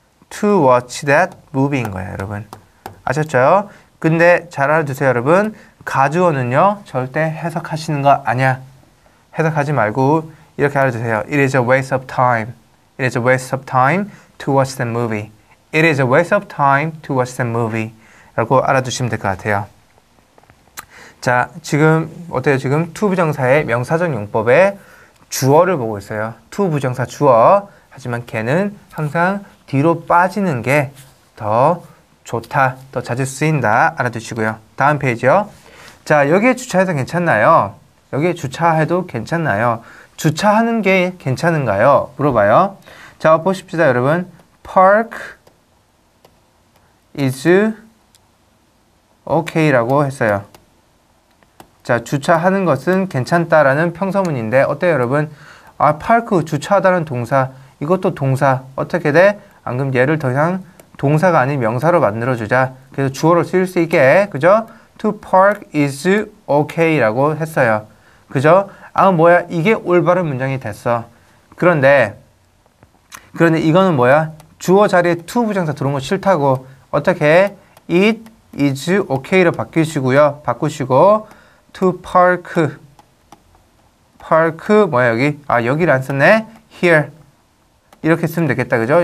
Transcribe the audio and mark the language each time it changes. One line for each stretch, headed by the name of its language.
English: to watch that movie인
Korean: 거야, 여러분. 아셨죠? 근데 잘 알아두세요, 여러분. 가주어는요, 절대 해석하시는 거 아니야. 해석하지 말고 이렇게 알아두세요.
English: It is a waste of time. It is a waste of time to watch that movie. It is a waste of time to watch that movie.
Korean: 라고 알아두시면 될 것 같아요. 자, 지금 어때요? 지금 to 부정사의 명사적 용법에 주어를 보고 있어요. to 부정사 주어. 하지만 can은 항상 뒤로 빠지는 게 더 좋다. 더 자주 쓰인다. 알아두시고요. 다음 페이지요. 자, 여기에 주차해서 괜찮나요? 여기에 주차해도 괜찮나요? 주차하는 게 괜찮은가요? 물어봐요. 자, 보십시다, 여러분.
English: park is okay
Korean: 라고 했어요. 자, 주차하는 것은 괜찮다라는 평서문인데 어때요, 여러분? 아, park, 주차하다는 동사, 이것도 동사. 어떻게 돼? 안 그럼 얘를 더 이상 동사가 아닌 명사로 만들어주자. 그래서 주어로 쓰일 수 있게, 그죠?
English: to park is okay
Korean: 라고 했어요. 그죠? 아, 뭐야, 이게 올바른 문장이 됐어. 그런데 이거는 뭐야? 주어 자리에 to 부정사 들어온 거 싫다고. 어떻게?
English: it is okay로
Korean: 바꾸시고
English: to park
Korean: 뭐야 여기? 아, 여기를 안 썼네? here 이렇게 쓰면 되겠다, 그죠?